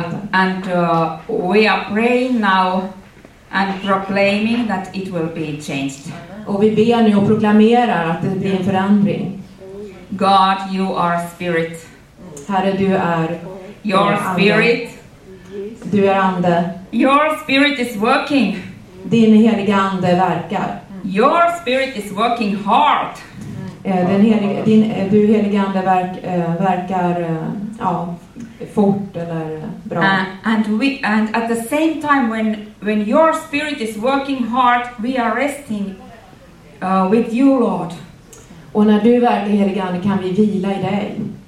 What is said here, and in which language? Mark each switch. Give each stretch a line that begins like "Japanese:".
English: And we are praying now and proclaiming that it will be changed.
Swedish: Och vi ber nu och proklamerar att det blir en förändring.
English: God, you are spirit.
Swedish: Herre, du är.
English: Your spirit.
Swedish: Du är ande.
English: Your spirit is working.
Swedish: Din heliga ande verkar.
English: Your spirit is working hard.
Swedish: Du heliga ande verkar ja, fort eller bra.
English: And at the same time when your spirit is working hard, we are resting with you, Lord.
Swedish: Och när du verkar heliga ande kan vi vila i dig.